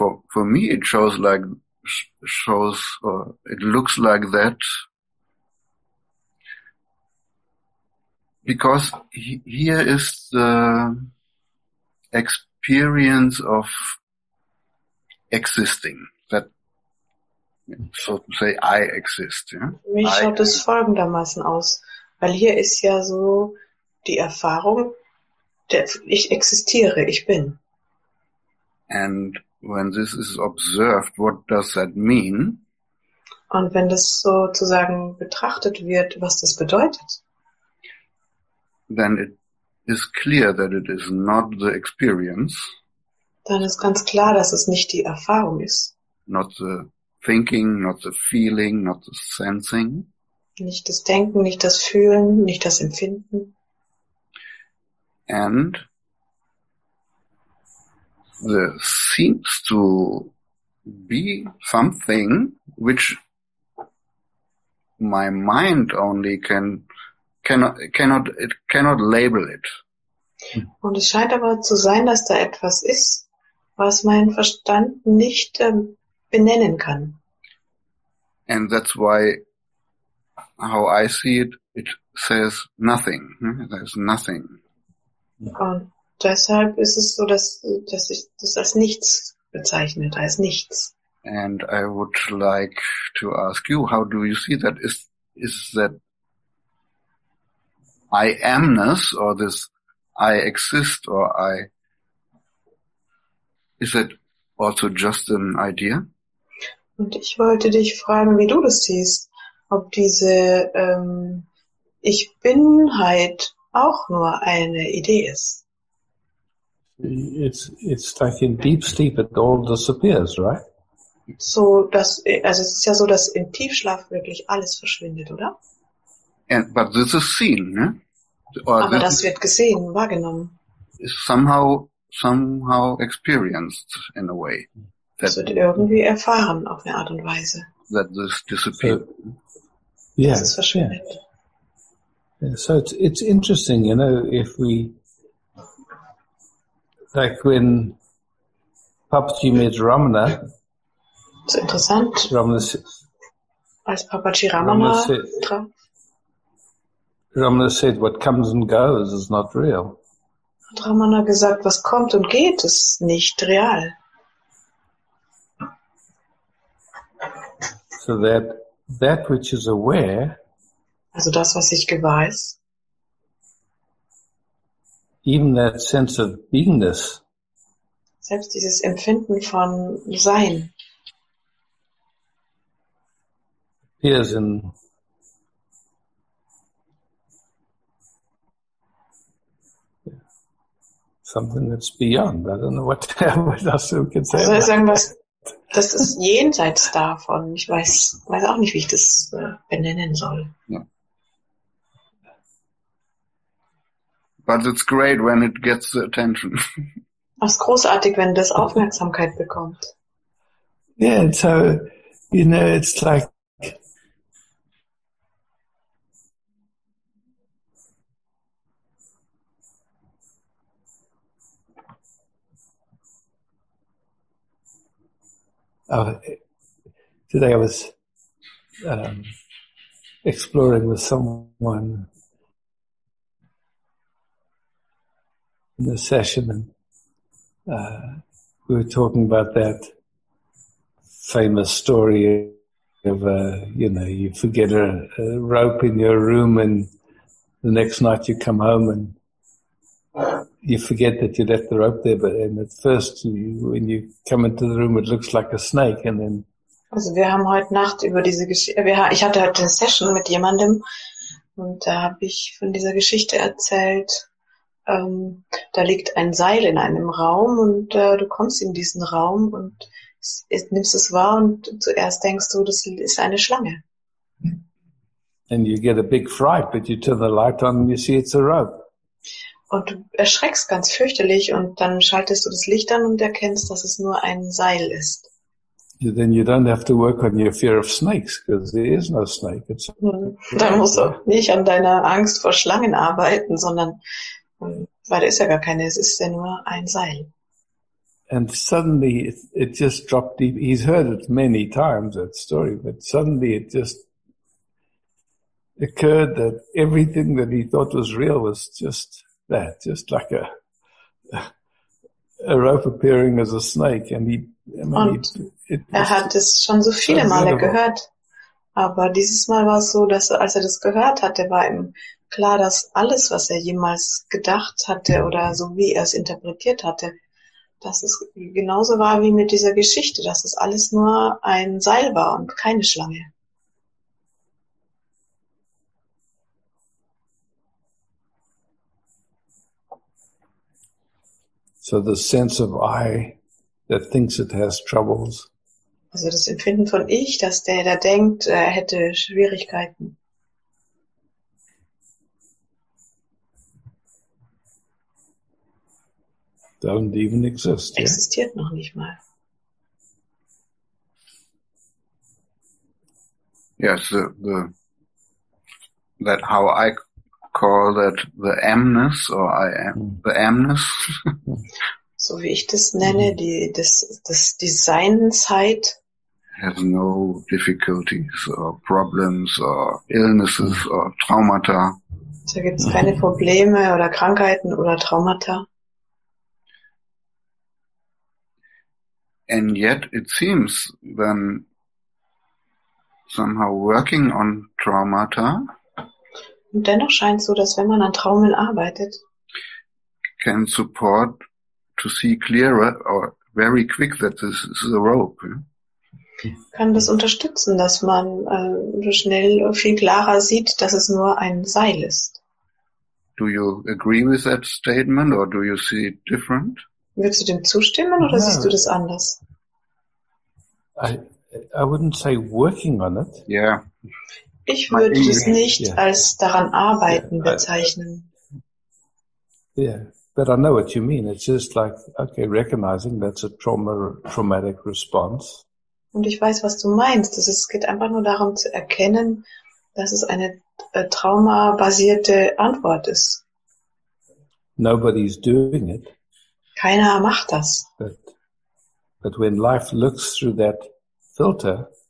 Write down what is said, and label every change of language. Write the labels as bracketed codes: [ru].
[en] For me, it shows, or it looks like that. Because here is the experience of existing that. So to say, I exist. [de] Für mich schaut es folgendermaßen aus, weil hier ist ja so die Erfahrung, ich existiere, ich bin. [en] And when this is observed, what does that mean? [de] Und wenn das sozusagen betrachtet wird, was das bedeutet? [en] Then it is clear that it is not the experience. [de] Dann ist ganz klar, dass es nicht die Erfahrung ist. [en] Not the thinking, not the feeling, not the sensing. [de] Nicht das Denken, nicht das Fühlen, nicht das Empfinden. [en] And there seems to be something which my mind only cannot label it. [de] Und es scheint aber zu sein, dass da etwas ist, was mein Verstand nicht benennen kann. [en] And that's why, how I see it, it says nothing. There's nothing. [de] Und deshalb ist es so, dass ich das als nichts bezeichnet, als nichts. [en] And I would like to ask you, how do you see that? Is that I am-ness or this I exist or I, is it also just an idea? [de] Und ich wollte dich fragen, wie du das siehst, ob diese Ich Bin-Heit auch nur eine Idee ist. [en] It's like in deep sleep it all disappears, right? [de] So, dass, also es ist ja so, dass im Tiefschlaf wirklich alles verschwindet, oder? [en] But this is seen, ne? [de] Aber das wird gesehen, wahrgenommen. [en] Is somehow experienced in a way. [de] Das wird irgendwie erfahren auf eine Art und Weise. [en] That this disappeared. So, yeah. [de] Das verschwindet. [en] Yeah. So it's interesting, you know, if we like when Papaji met Ramana. [de] Das ist interessant. Als Papaji Ramana traf. [en] Ramana said, what comes and goes is not real. [de] Hat Ramana gesagt, was kommt und geht, ist nicht real. [en] So that which is aware. [de] Also das, was ich gewahr ist. [en] Even that sense of beingness. [de] Selbst dieses Empfinden von Sein. [en] Appears in something that's beyond. I don't know what else we can say. [de] Also sagen, das ist jenseits davon. Ich weiß auch nicht, wie ich das benennen soll. [en] Yeah. But it's great when it gets the attention. [de] Das ist großartig, wenn das Aufmerksamkeit bekommt. [en] Yeah, and so, you know, it's like today I was exploring with someone in the session, and we were talking about that famous story of, you know, you forget a rope in your room and the next night you come home and you forget that you left the rope there, but and at first, when you come into the room, it looks like a snake, and then. [de] Also, wir haben heute Nacht über diese Geschichte. Ich hatte heute eine Session mit jemandem, und da habe ich von dieser Geschichte erzählt. Da liegt ein Seil in einem Raum, und du kommst in diesen Raum und nimmst es wahr, und zuerst denkst du, das ist eine Schlange. [en] And you get a big fright, but you turn the light on and you see it's a rope. [de] Und du erschreckst ganz fürchterlich, und dann schaltest du das Licht an und erkennst, dass es nur ein Seil ist. [en] Then you don't have to work on your fear of snakes, because there is no snake. [de] Dann musst du nicht an deiner Angst vor Schlangen arbeiten, sondern, weil da ist ja gar keine, es ist ja nur ein Seil. [en] And suddenly it just dropped deep. He's heard it many times, that story, but suddenly it just occurred that everything that he thought was real was just that, just like a rope appearing as a snake, and [de] er hat es schon so viele Male gehört, aber dieses Mal war es so, dass als er das gehört hatte, war ihm klar, dass alles, was er jemals gedacht hatte oder so wie er es interpretiert hatte, dass es genauso war wie mit dieser Geschichte, dass es alles nur ein Seil war und keine Schlange. [en] So the sense of I that thinks it has troubles. [de] Also das Empfinden von ich, dass der da denkt, er hätte Schwierigkeiten. [en] Doesn't even exist. [de] Existiert noch nicht mal. [en] Yes, the that how I call that the amness or I am the amness. [de] So wie ich das nenne, die das die Seinzeit. [en] Has no difficulties or problems or illnesses or traumata. [de] Da gibt's keine Probleme oder Krankheiten oder Traumata. [en] And yet it seems then somehow working on traumata. [de] Und dennoch scheint so, dass wenn man an Traumen arbeitet, [en] can support to see clearer or very quick that this is a rope. [de] Kann das unterstützen, dass man schnell viel klarer sieht, dass es nur ein Seil ist. [en] Do you agree with that statement or do you see it different? [de] Würdest du dem zustimmen oder siehst du das anders? [en] I wouldn't say working on it. Yeah. [de] Ich würde es nicht als daran arbeiten bezeichnen. [en] Yeah, but I know what you mean. It's just like, okay, recognizing that's a traumatic response. [de] Und ich weiß, was du meinst. Es geht einfach nur darum zu erkennen, dass es eine traumabasierte Antwort ist. [en] Nobody's doing it. [de] Keiner macht das. [en] But when life looks through that filter,